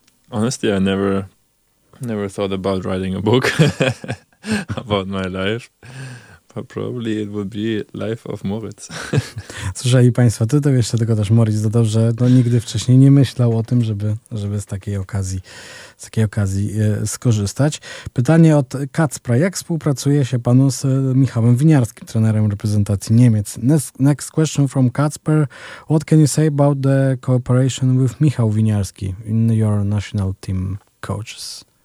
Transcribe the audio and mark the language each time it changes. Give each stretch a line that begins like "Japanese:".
English: Honestly, I never thought about writing a book about my life. But probably it would be Life of Moritz.
Polish: Słyszeli Państwo, ty to wiesz, tylko też Moritz dodał, że no, nigdy wcześniej nie myślał o tym, żeby z takiej okazji skorzystać. Pytanie od Kacpra. Jak współpracuje się panu z Michałem Winiarskim, trenerem reprezentacji Niemiec?
English: Next question from Kacper. What can you say about the cooperation with Michał Winiarski in your national team coaches?